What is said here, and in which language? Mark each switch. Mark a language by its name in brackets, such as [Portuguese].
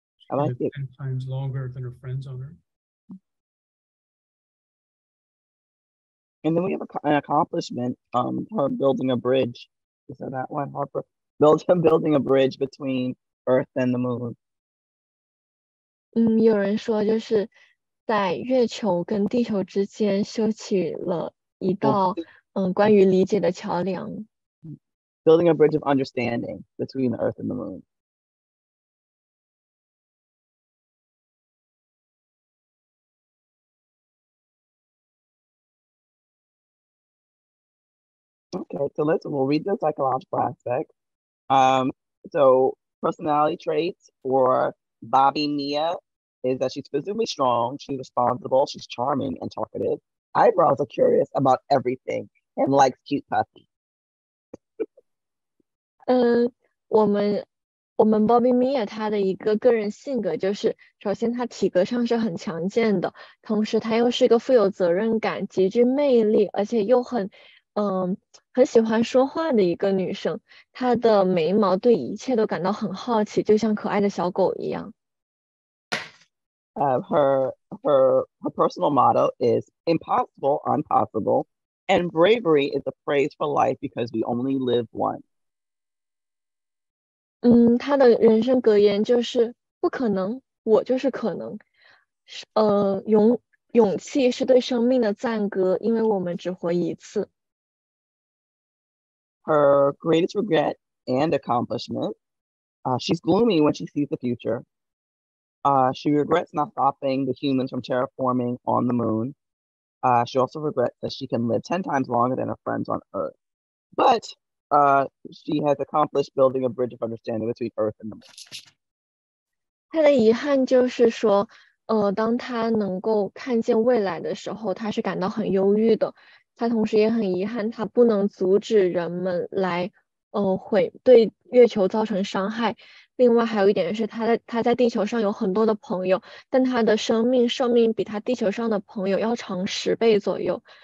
[English] I like it. 10 times longer than her friends on Earth. And then we have an accomplishment, her building a bridge. Is that that one, Harper? Building a bridge between Earth and the moon. [Chinese] 有人说就是在月球跟地球之间修起了一道关于理解的桥梁。 [English] Building a bridge of understanding between the Earth and the moon. Okay, so we'll read the psychological aspect. So personality traits for Bobby Mia is that she's physically strong, she's responsible, she's charming and talkative. Eyebrows are curious about everything and likes cute puppies. [Chinese] 我们 Bobby Mia 她的一个个人性格就是，首先她体格上是很强健的，同时她又是一个富有责任感、极具魅力，而且又很喜欢说话的一个女生，她的眉毛对一切都感到很好奇，就像可爱的小狗一样。 [English] Her personal motto is impossible, impossible, and bravery is a phrase for life because we only live once. [Chinese] 她的人生格言就是不可能，我就是可能。勇气是对生命的赞歌，因为我们只活一次。 [English] Her greatest regret and accomplishment. She's gloomy when she sees the future. She regrets not stopping the humans from terraforming on the moon. She also regrets that she can live 10 times longer than her friends on Earth. But she has accomplished building a bridge of understanding between Earth and the moon. [Chinese] 她的遗憾就是说，当她能够看见未来的时候，她是感到很忧郁的。他同时也很遗憾，他不能阻止人们来，毁对月球造成伤害。另外还有一点是，他在地球上有很多的朋友，但他的寿命比他地球上的朋友要长10倍左右。